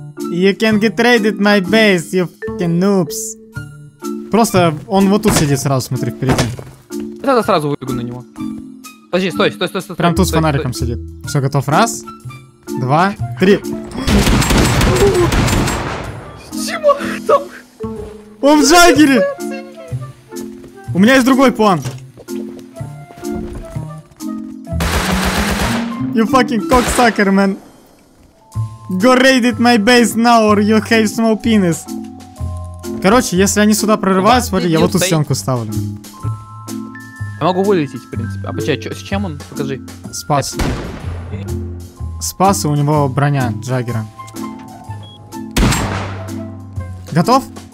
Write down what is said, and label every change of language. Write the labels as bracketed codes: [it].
[en] You can get raided my base, you f***ing noobs. [ru] Просто он вот тут сидит сразу, смотри, впереди. Я тогда сразу выбегу на него. Подожди, стой, стой, стой, стой. Прям тут стой, с фонариком стой. Сидит. Все, готов. Раз, два, три. Чего? Там... Он в джагере! У меня есть другой план. [en] You fucking cocksucker, man. Go raid it my base now or you have small penis. [ru] Короче, если они сюда прорываются, смотри, я вот тут стенку ставлю. Я могу вылететь, в принципе. А почему? С чем он? Покажи. Спас. Спас, и у него броня джаггера. Готов?